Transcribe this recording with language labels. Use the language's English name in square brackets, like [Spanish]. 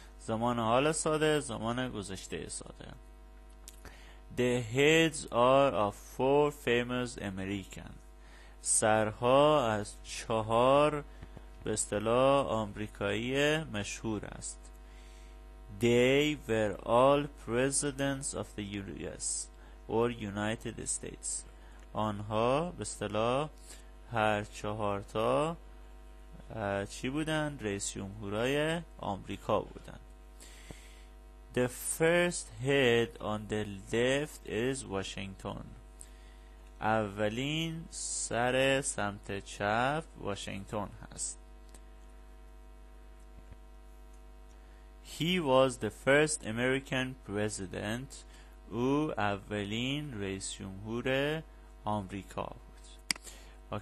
[Persian] زمان حال ساده، زمان گذشته ساده. [English] The heads are of four famous American. [Persian] سرها از چهار به اصطلاح آمریکایی مشهور است. [English] They were all presidents of the US or United States. [Persian] آنها به اصطلاح هر چهار تا چی بودند؟ رئیس جمهورای آمریکا بودند. [English] The first head on the left is Washington. [Persian] اولین سر سمت چپ واشنگتن هست. [English] He was the first American president. [Persian] او اولین رئیس جمهور آمریکا بود.